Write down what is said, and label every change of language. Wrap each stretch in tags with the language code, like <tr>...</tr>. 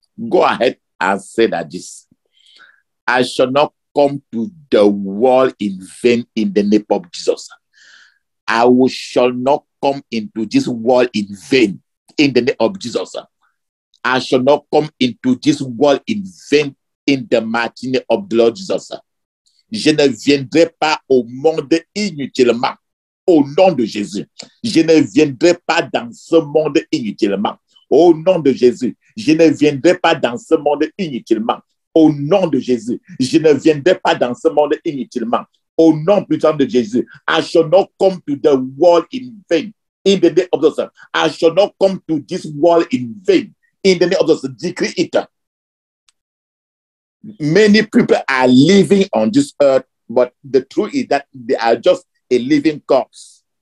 <en>Go ahead and say that this. I shall not come to the world in vain in the name of Jesus. I shall not come into this world in vain in the name of Jesus. I shall not come into this world in vain in the mighty name of the Lord Jesus.</en> <fr>Je ne viendrai pas au monde inutilement au nom de Jésus. Je ne viendrai pas dans ce monde inutilement au nom de Jésus. Je ne viendrai pas dans ce monde inutilement au nom de Jésus. Je ne viendrai pas dans ce monde inutilement au nom puissant de Jésus.</fr> <en>I shall not come to the world in vain in the name of Jesus. I shall not come to this world in vain in the name of Jesus. Decree it. Many people are living on this earth, but the truth is that they are just a living corpse.</en>